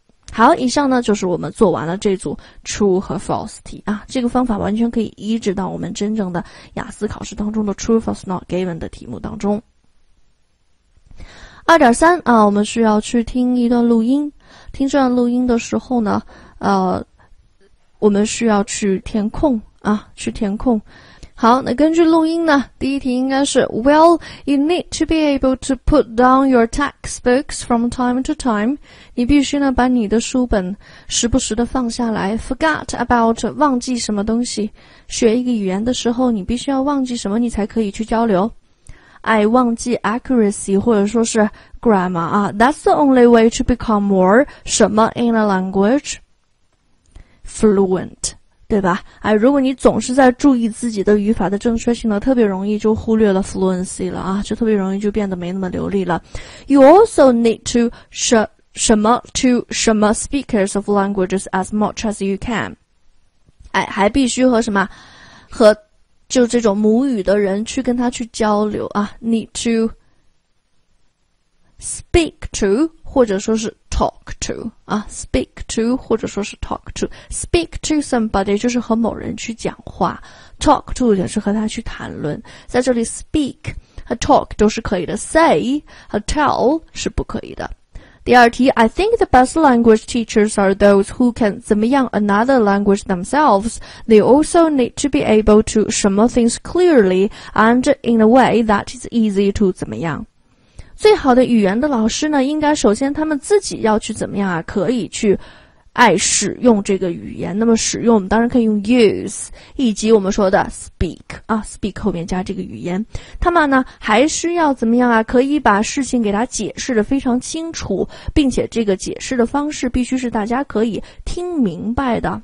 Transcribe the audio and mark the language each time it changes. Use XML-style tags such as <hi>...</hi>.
<zh>好，以上呢就是我们做完了这组 true 和 false 题啊，这个方法完全可以移植到我们真正的雅思考试当中的 true false not given 的题目当中。 2.3 啊，我们需要去听一段录音。听这段录音的时候呢，我们需要去填空啊，去填空。好，那根据录音呢，第一题应该是</zh> <en>Well, you need to be able to put down your textbooks from time to time.</en> <zh>你必须呢把你的书本时不时的放下来。</zh> <en>Forgot about</en> <zh>忘记什么东西。学一个语言的时候，你必须要忘记什么，你才可以去交流。</zh> <en>I</en> <zh>忘记</zh> <en>accuracy</en> <zh>或者说是</zh> <en>grammar 啊 That's the only way to become more</en> <zh>什么</zh> <en>in a language fluent</en> <zh>对吧？哎，如果你总是在注意自己的语法的正确性呢，特别容易就忽略了 fluency 了啊，就特别容易就变得没那么流利了。</zh> <en>You also need to</en> <zh>什么</zh> <en>speakers of languages as much as you can。</en> <zh>哎，还必须和什么和。就这种母语的人去跟他去交流啊 ，</zh> <en>need to speak to</en> <zh>或者说是 talk to 啊 ，speak to 或者说是 talk to，</zh> <en>speak to somebody</en> <zh>就是和某人去讲话 ，talk to 也是和他去谈论，在这里 speak 和 talk 都是可以的 ，say 和 tell 是不可以的。第二题</zh> <en>，I think the best language teachers are those who can</en> <zh>怎么样</zh> <en>another language themselves. They also need to be able to</en> <zh>什么</zh> <en>things clearly and in a way that is easy to</en> <zh>怎么样。最好的语言的老师呢，应该首先他们自己要去怎么样啊，可以去爱使用这个语言。那么使用我们当然可以用 use， 以及我们说的 speak 啊 ，speak 后面加这个语言。他们呢还是要怎么样啊？可以把事情给他解释的非常清楚，并且这个解释的方式必须是大家可以听明白的。</zh>